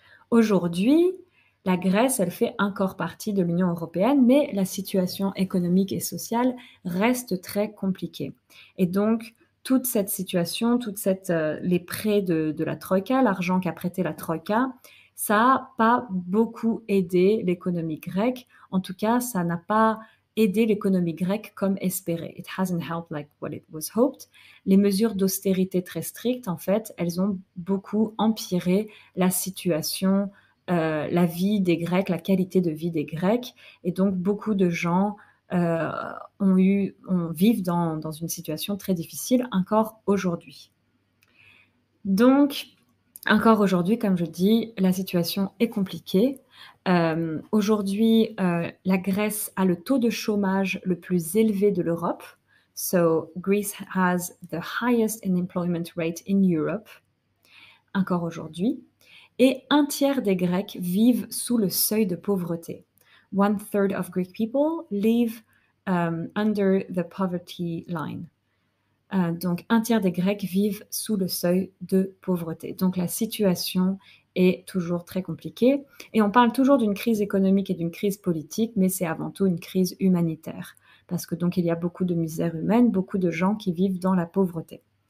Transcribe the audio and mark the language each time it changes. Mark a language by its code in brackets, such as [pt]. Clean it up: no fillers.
[fr] Aujourd'hui, la Grèce, elle fait encore partie de l'Union européenne, mais la situation économique et sociale reste très compliquée. Et donc, toute cette situation, les prêts de la Troïka, l'argent qu'a prêté la Troïka, ça n'a pas beaucoup aidé l'économie grecque. En tout cas, ça n'a pas aidé l'économie grecque comme espéré. [en] It hasn't helped like what it was hoped. [fr] Les mesures d'austérité très strictes, en fait, elles ont beaucoup empiré la situation, la vie des Grecs, la qualité de vie des Grecs. Et donc, beaucoup de gens vivent dans une situation très difficile encore aujourd'hui. Donc, encore aujourd'hui, comme je dis, la situation est compliquée. Aujourd'hui, la Grèce a le taux de chômage le plus élevé de l'Europe. [en] So, Greece has the highest unemployment rate in Europe, [fr] encore aujourd'hui. Et un tiers des Grecs vivent sous le seuil de pauvreté. [en] One third of Greek people live under the poverty line. [fr] Donc, un tiers des Grecs vivent sous le seuil de pauvreté. Donc, la situation est toujours très compliquée. Et on parle toujours d'une crise économique et d'une crise politique, mais c'est avant tout une crise humanitaire. Parce que donc, il y a beaucoup de misère humaine, beaucoup de gens qui vivent dans la pauvreté.